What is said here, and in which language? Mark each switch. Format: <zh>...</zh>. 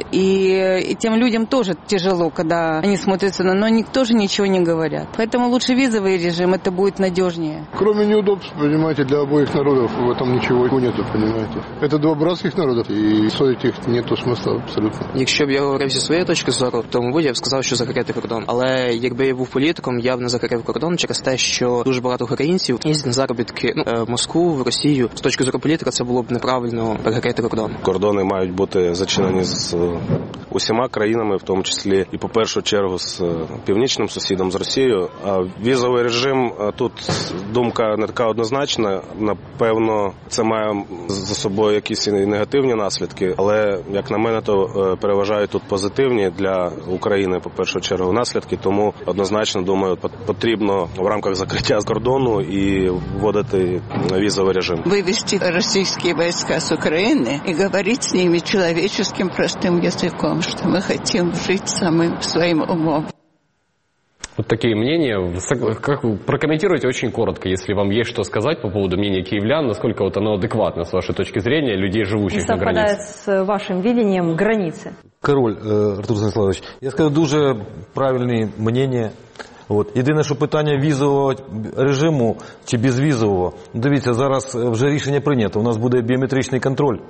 <ru>И тем людям тоже тяжело, когда они смотрятся на... Но никто тоже ничего не говорят. Поэтому лучше визовый режим, это будет надежнее. Кроме неудобств, понимаете, для обоих народов в этом ничего нету, понимаете. Это два братских народа, и ссорить их нету смысла абсолютно.</ru> <uk>Якщо б я говорив зі своєї точки зору, то мабуть, я б сказав, що закрити кордон. Але якби я був політиком, я б не закрив кордон через те, що дуже багато українців їздять на заробітки в Москву, в Росію. З точки зору політика, це було б неправильно перекрити кордон. Кордони мають бути зачинені з усіма країнами, в тому числі і по першу чергу з північним сусідом з Росією. А візовий режим, тут думка не така однозначна. Напевно, це має за собою якісь негативні наслідки. Але, як на мене, то переважають тут позитивні для України, по першу чергу, наслідки. Тому, однозначно, думаю, потрібно в рамках закриття кордону і вводити візовий режим. Вивести російські війська з України і говорити з ними чоловічим простим язиком, що ми хочемо жити самим своїм умом.</uk> <ru>Вот такие мнения. Как вы прокомментируете очень коротко, если вам есть что сказать по поводу мнения киевлян, насколько вот оно адекватно с вашей точки зрения людей, живущих на границе? И совпадает с вашим видением границы. Король Артур Станиславович, я скажу, дуже правильные мнения. Вот. Единственное, что питание визового режима,</ru> <uk>чи безвизового, ну, дивіться, зараз вже рішення прийнято, у нас буде біометричний контроль.</uk>